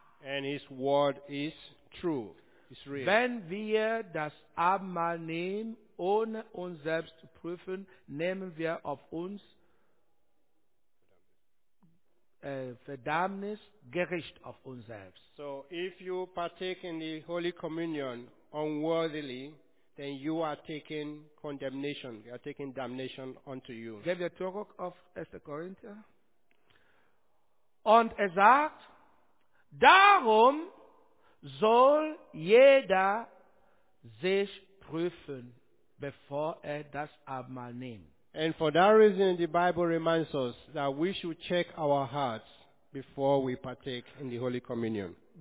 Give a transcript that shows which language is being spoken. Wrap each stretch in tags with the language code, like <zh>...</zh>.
<en>And his word is true. It's real.</en> <de>Wenn wir das Abendmahl nehmen, ohne uns selbst zu prüfen, nehmen wir auf uns Verdammnis, Gericht auf uns selbst.</de> <en>So, if you partake in the Holy Communion unworthily, then you are taking condemnation. You are taking damnation unto you.</en> <de>Gebt ihr Zurück auf 1. Korinther. Und er sagt, darum soll jeder sich prüfen, bevor er das Abendmahl nimmt.</de> <en>And for that reason, the Bible reminds us that we should check our hearts before we partake in the Holy Communion.</en>